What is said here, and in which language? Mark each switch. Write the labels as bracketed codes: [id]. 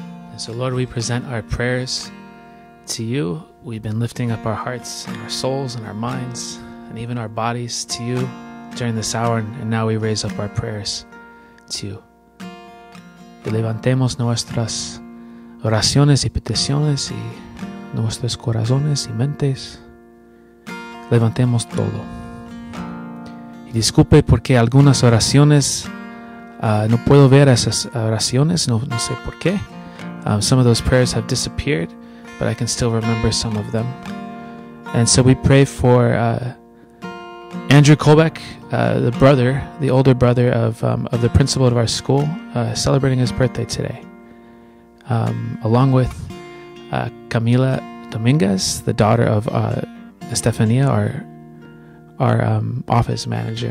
[en] And so, Lord, we present our prayers to you. We've been lifting up our hearts and our souls and our minds and even our bodies to you during this hour, and now we raise up our prayers to you. [es] Y levantemos nuestras oraciones y peticiones y nuestros corazones y mentes. Levantemos todo. Y disculpe porque algunas oraciones, no puedo ver esas oraciones, no sé por qué. [en] Some of those prayers have disappeared, but I can still remember some of them. And so we pray for Andrew Kolbeck, the brother, the older brother of the principal of our school, celebrating his birthday today, along with Camila Dominguez, the daughter of Estefania, our office manager.